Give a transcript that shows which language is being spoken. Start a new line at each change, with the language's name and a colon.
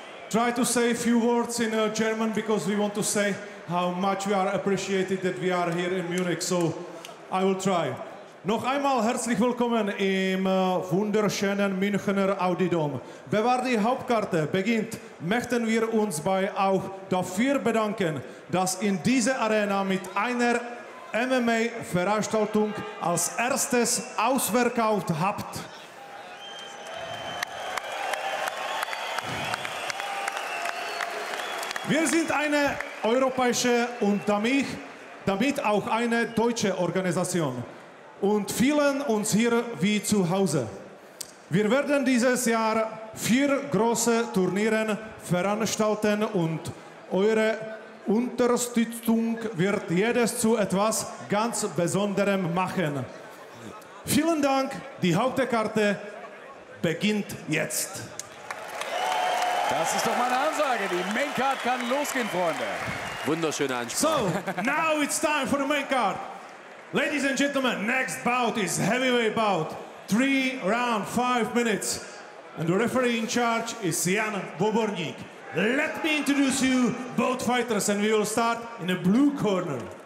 English: Try to say a few words in German, because we want to say how much we are appreciated that we are here in Munich. So I will try.
German: Noch einmal herzlich willkommen im wunderschönen Münchner Audidom. Bevor die Hauptkarte beginnt, möchten wir uns bei auch dafür bedanken, dass in dieser Arena mit einer MMA-Veranstaltung als erstes ausverkauft habt. Wir sind eine europäische und damit auch eine deutsche Organisation. Und fühlen uns hier wie zu Hause. Wir werden dieses Jahr 4 große Turniere veranstalten und eure Unterstützung wird jedes zu etwas ganz Besonderem machen. Vielen Dank, die Hauptkarte beginnt jetzt. Das ist doch meine Ansage, die Main Card kann losgehen, Freunde. Wunderschöne Ansprache.
English: So, now it's time for the Main Card. Ladies and gentlemen, next bout is heavyweight bout. 3 round, 5 minutes. And the referee in charge is Jan Bobornik. Let me introduce you both fighters, and we will start in the blue corner.